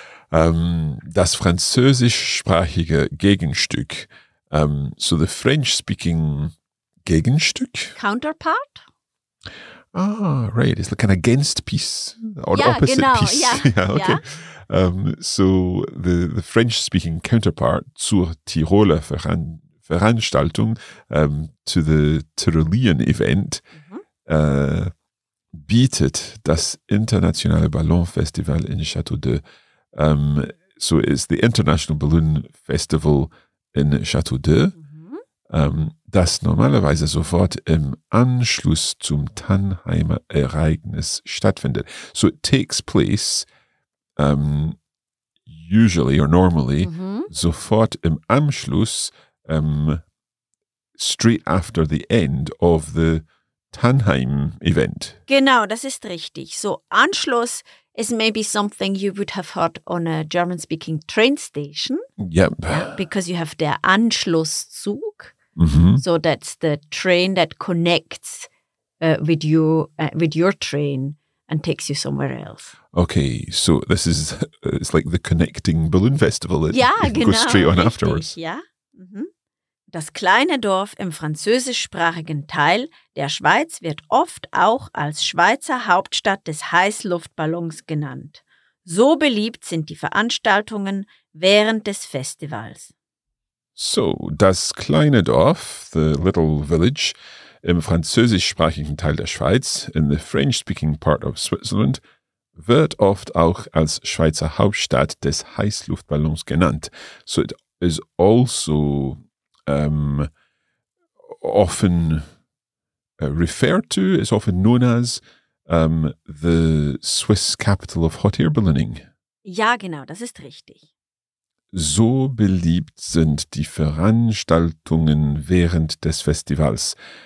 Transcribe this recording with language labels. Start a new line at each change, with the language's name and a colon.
German: Das französischsprachige Gegenstück,
English: so the French-speaking Gegenstück? Counterpart? Ah, right. It's like an against piece or yeah, opposite
German: genau.
English: Piece. Yeah, yeah okay. Yeah. So the French-speaking counterpart
German: zur Tiroler Veranstaltung,
English: to the Tyrolean event, mm-hmm.
German: Bietet das internationale Ballonfestival in Château d'Œx.
English: So it's the international balloon festival in Château d'Œx.
German: Das normalerweise sofort im Anschluss zum Tannheimer Ereignis stattfindet.
English: So it takes place usually or normally,
German: sofort im Anschluss,
English: straight after the end of the Tannheim event.
German: Genau, das ist richtig.
English: So, Anschluss is maybe something you would have heard on a German-speaking train station. Yep. Because you have
German: der Anschlusszug.
English: Mm-hmm. So that's the train that connects with your train and takes you somewhere else. Okay, so this is, it's like the connecting balloon festival. It, yeah, it goes straight on afterwards.
German: Ja, mm-hmm. Das kleine Dorf im französischsprachigen Teil der Schweiz wird oft auch als Schweizer Hauptstadt des Heißluftballons genannt. So beliebt sind die Veranstaltungen während des Festivals. So, das kleine Dorf,
English: the little village,
German: im französischsprachigen Teil der Schweiz,
English: in the French-speaking part of Switzerland,
German: wird oft auch als Schweizer Hauptstadt des Heißluftballons genannt.
English: So it is also often referred to, it's often known as the Swiss capital of hot air ballooning.
German: Ja, genau, das ist richtig. So beliebt sind die Veranstaltungen während des Festivals.